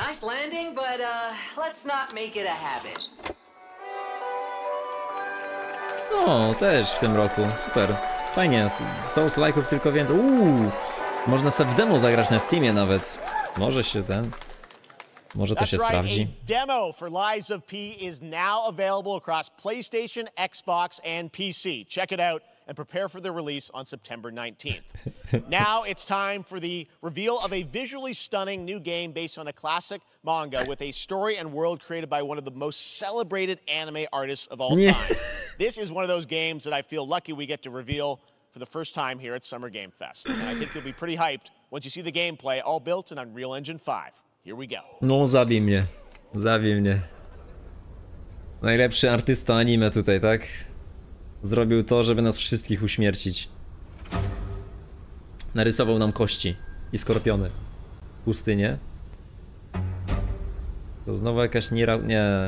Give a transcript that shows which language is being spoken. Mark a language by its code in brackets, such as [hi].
[en] Nice landing, but let's not make it a habit. [pl] No, też w tym roku, super. Fajnie, Souls like'ów tylko więcej. Uuu, można sobie w demo zagrać na Steamie nawet. Może się ten... Może to się sprawdzi. [en] A demo for Lies of P is now available across PlayStation, Xbox and PC. Check it out and prepare for the release on September 19th. Now it's time for the reveal of a visually stunning new game based on a classic manga with a story and world created by one of the most celebrated anime artists of all time. This is one of those games that I feel lucky we get to reveal for the first time here at Summer Game Fest. And I think you'll be pretty hyped once you see the gameplay all built in Unreal Engine 5. Here we go. [pl] No, zabij mnie. Zabij mnie. Najlepszy artysta anime tutaj, tak? Zrobił to, żeby nas wszystkich uśmiercić. Narysował nam kości i skorpiony. Pustynie. To znowu jakaś nira... Nie...